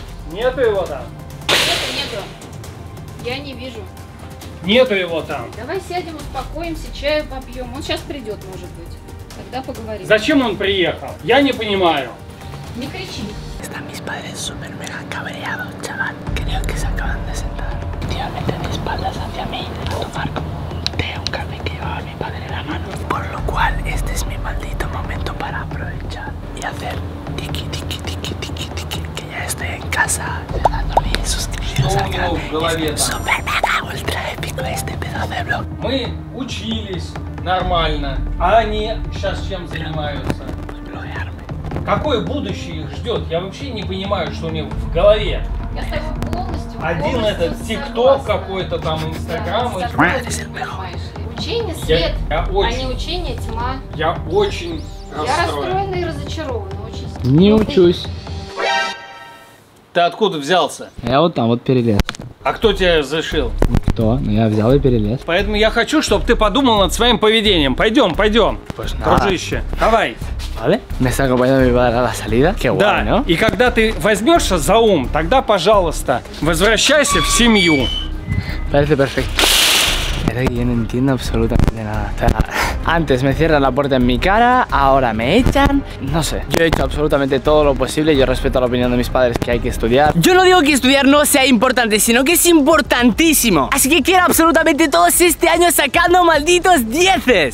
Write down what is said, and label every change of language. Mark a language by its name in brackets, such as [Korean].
[Russian] Нету его там? Нету, нету. Я не вижу. Нету его там. Давай сядем, успокоимся, чаю попьем. Он сейчас придет, может быть. Тогда поговорим. Зачем он приехал? Я не понимаю. Не кричи. [Spanish] Están mis padres súper mega cabreados, chaval. Creo que se acaban de sentar. Tío, mete mis espaldas hacia mí a tomar té, un café que llevaba mi padre en la mano. Por lo cual, este es mi maldito momento para aprovechar y hacer tiki tiki tiki tiki tiki, que ya estoy en casa, dándole suscribiros al canal. Súper mega ultra épico este pedo de vlog. [Russian] Мы учились нормально, а они сейчас чем занимаются? Какое будущее их ждет? Я вообще не понимаю, что у них в голове. Я с тобой полностью. Один этот ТикТок какой-то там, Инстаграм. Да, это... Учение свет, я очень, а не учение тьма. Я очень расстроен. Я расстроена и разочарована очень. Не учусь. Ты откуда взялся? Я вот там вот перелез. А кто тебя разрешил? Никто, но я взял и перелез. Поэтому я хочу, чтобы ты подумал над своим поведением. Пойдем, пойдем. Пошла. Дружище, давай. [Spanish] Vale. Me está acompañando mi padre a la salida. Qué [Russian] да. [Spanish] guay, ¿no? [Russian] И когда ты возьмешься за ум, тогда, пожалуйста, возвращайся в семью. [Spanish] Parece perfecto. Pero yo no entiendo absolutamente nada. O sea, antes me cierran la puerta en mi cara, ahora me echan. No sé. Yo he hecho absolutamente todo lo posible. Yo respeto la opinión de mis padres que hay que estudiar. Yo no digo que estudiar no sea importante, sino que es importantísimo. Así que quiero absolutamente todos este año sacando malditos dieces.